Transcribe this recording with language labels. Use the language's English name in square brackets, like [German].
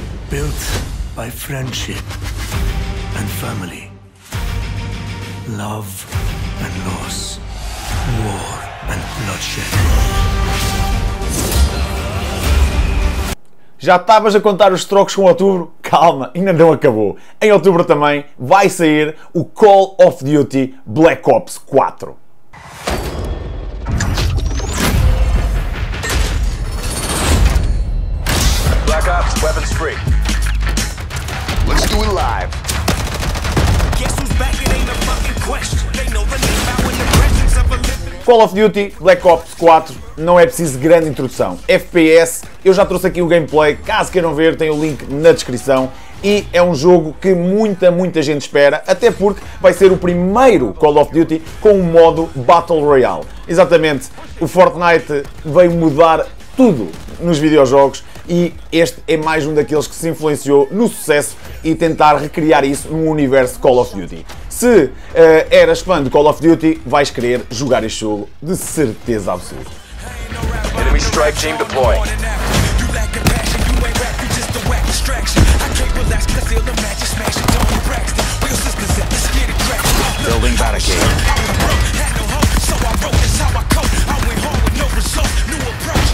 [English] built by friendship and family, love and loss, war and bloodshed. [Portuguese] Já estavas a contar os trocos com outubro? Calma, ainda não acabou. Em outubro também vai sair o Call of Duty Black Ops 4. [English] Black Ops, weapons free. Let's do it live. Guess who's back? It ain't a fucking question. They know the name now in the presence of a living. Call of Duty Black Ops 4. [Portuguese] Não é preciso grande introdução. FPS, eu já trouxe aqui o gameplay, caso queiram ver, tem o link na descrição. E é um jogo que muita gente espera, até porque vai ser o primeiro Call of Duty com o modo Battle Royale. Exatamente, o Fortnite veio mudar tudo nos videojogos e este é mais um daqueles que se influenciou no sucesso e tentar recriar isso num universo Call of Duty. Se eras fã de Call of Duty, vais querer jogar este jogo de certeza absoluta. [English] Enemy strike team deploy. You lack a passion, you ain't rap, you just a whack distraction. I can't relax, cause I feel the magic smashing. Tony Braxton, real sisters at the skinny crack. Building barricade. I was broke, had no hope, so I wrote, that's how I cope. I went home with no results, new approach.